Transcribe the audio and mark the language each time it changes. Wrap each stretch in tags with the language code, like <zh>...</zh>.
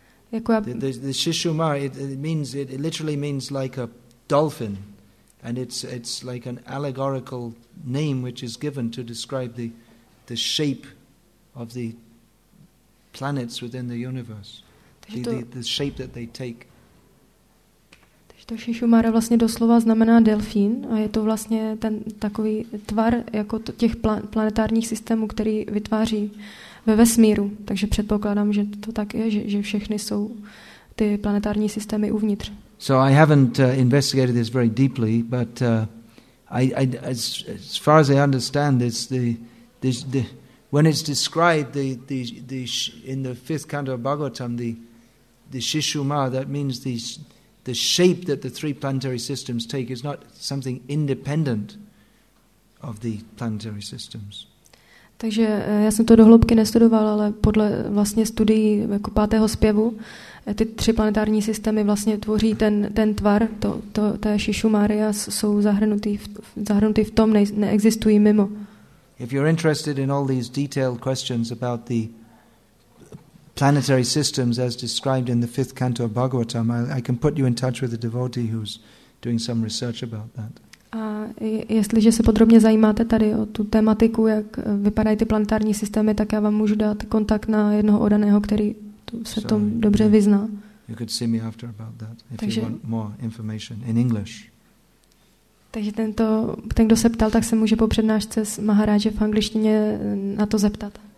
<en>The Shishuma, it literally means like a dolphin, and it's like an allegorical name which is given to describe the shape of the planets within the universe, the shape that they take.</en> <cs>Takže to Shishumara vlastně doslova znamená delfín a je to vlastně ten takový tvar jako těch planetárních systémů, který vytváří ve vesmíru. Takže předpokládám, že to tak je, že všechny jsou ty planetární systémy uvnitř.</cs> <en>So I haven't investigated this very deeply, but I as far as I understand this, the when it's described the in the fifth canto of Bhagavatam, the Shishuma, that means the shape that the three planetary systems take is not something independent of the planetary systems.</en> <cs>Takže já jsem to do hloubky nestudoval, ale podle vlastně studií jako pátého zpěvu ty tři planetární systémy vlastně tvoří ten tvar, to Shishumara, a jsou zahrnutý v tom, neexistují mimo.</cs> <en>If you're interested in all these detailed questions about the planetary systems as described in the fifth canto of Bhagavatam, I can put you in touch with a devotee who's doing some research about that.</en> <cs>A jestliže se podrobně zajímáte tady o tu tematiku, jak vypadají ty planetární systémy, tak já vám můžu dát kontakt na jednoho odaného, který se tom dobře vyzná.</cs> <en>You could see me after about that if you want more information in English.</en> <cs>Takže ten, kdo se ptal, tak se může po přednášce s Maharáže v angličtině na to zeptat.</cs>